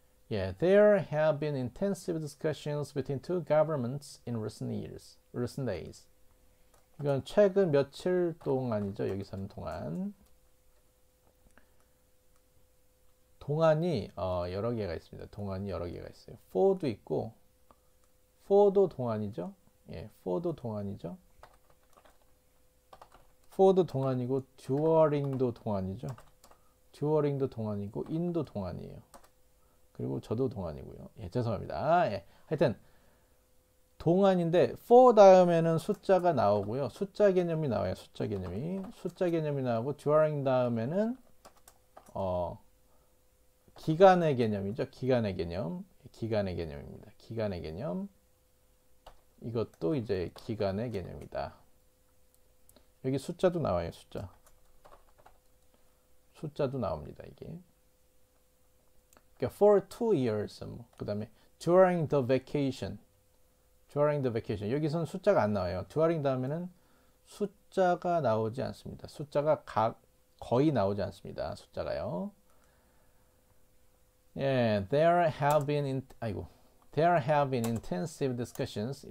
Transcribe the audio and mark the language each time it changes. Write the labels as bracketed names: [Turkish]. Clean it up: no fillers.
[English] 예, there have been intensive discussions between two governments in recent days. [Korean] 이건 최근 며칠 동안이죠. 여기서는 동안. 동안이 여러 개가 있습니다. 동안이 여러 개가 있어요. for도 있고, for도 동안이죠. 예, for도 동안이죠. for도 동안이고, during도 동안이죠. during도 동안이고, in도 동안이에요. 그리고 저도 동안이고요. 예, 죄송합니다. 예, 하여튼 동안인데 for 다음에는 숫자가 나오고요. 숫자 개념이 나와요. 숫자 개념이. 숫자 개념이 나오고 during 다음에는 기간의 개념이죠. 기간의 개념. 기간의 개념입니다. 기간의 개념. 이것도 이제 기간의 개념이다. 여기 숫자도 나와요. 숫자. 숫자도 나옵니다. 이게. [English] For 2 years, 뭐. [Korean] 그 다음에 [English] during the vacation, during the vacation. [Korean] 여기선 숫자가 안 나와요. during 다음에는 숫자가 나오지 않습니다. 숫자가 거의 나오지 않습니다. 숫자가요. [English] 예, there have been 아이고, there have been intensive discussions.